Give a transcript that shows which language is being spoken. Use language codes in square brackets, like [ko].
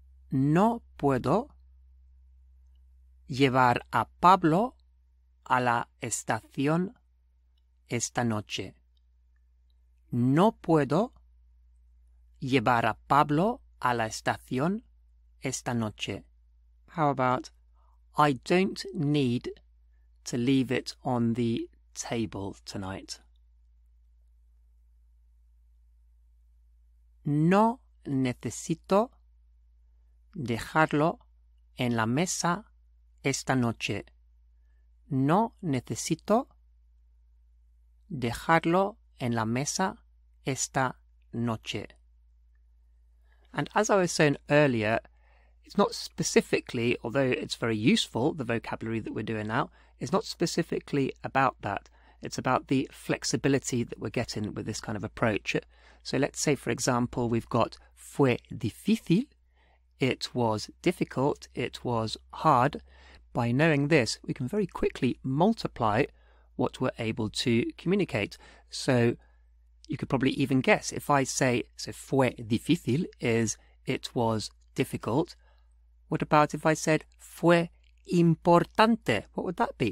[es] No puedo llevar a Pablo a la estación esta noche. No puedo llevar a Pablo a la estación esta noche. [en] How about I don't need to leave it on the table tonight. [es] No necesito dejarlo en la mesa esta noche. No necesito dejarlo en la mesa esta noche. [en] And as I was saying earlier, it's not specifically, although it's very useful, the vocabulary that we're doing now, it's not specifically about that. It's about the flexibility that we're getting with this kind of approach. So let's say, for example, we've got [es] fue difícil. [en] It was difficult. It was hard. By knowing this, we can very quickly multiply what we're able to communicate. So you could probably even guess if I say, so [es] fue difícil [en] is it was difficult. What about if I said [es] fue importante? [en] What would that be?